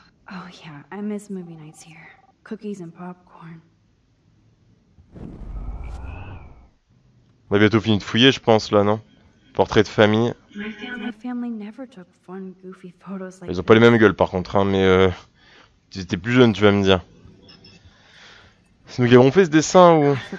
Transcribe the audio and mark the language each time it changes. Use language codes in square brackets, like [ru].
[en] Oh yeah, I miss movie nights here. Cookies and popcorn. [fr] On a bientôt fini de fouiller, je pense, là, non? Portrait de famille. [en] My family never took fun, goofy photos like [fr] Ils ont pas les mêmes gueules, par contre, hein, mais tu étais plus jeune, tu vas me dire. C'est nous qui avons fait ce dessin ou...